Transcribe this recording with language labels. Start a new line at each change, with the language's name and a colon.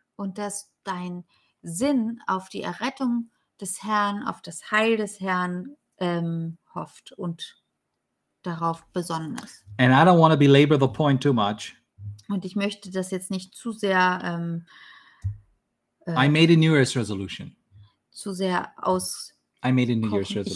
German: Und dass dein Sinn auf die Errettung des Herrn, auf das Heil des Herrn hofft und darauf besonders.
English: And I don't want to belabor the point too much.
German: Und ich möchte das jetzt nicht zu sehr
English: I made a New Year's resolution.
German: Zu sehr aus
English: I made a New Year's resolution.